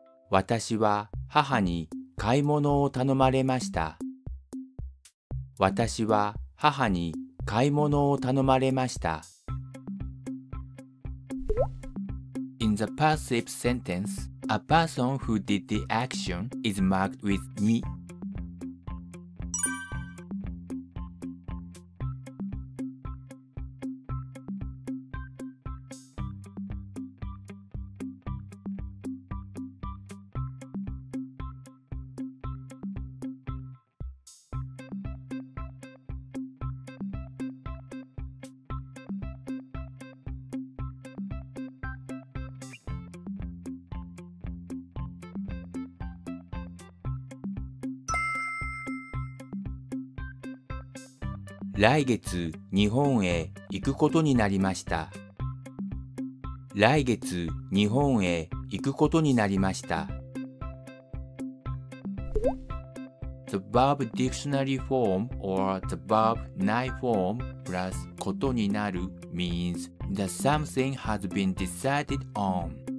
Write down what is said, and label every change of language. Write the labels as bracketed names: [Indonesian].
[Japanese] 私は母に買い物を頼まれました。私は母に買い物を頼まれました。 [English] In the passive sentence, a person who did the action is marked with に。 [Japanese] 来月日本へ行くことになりました。来月日本へ行くことになりました。 [English] The verb dictionary form or the verb nigh form plus ことになる means that something has been decided on.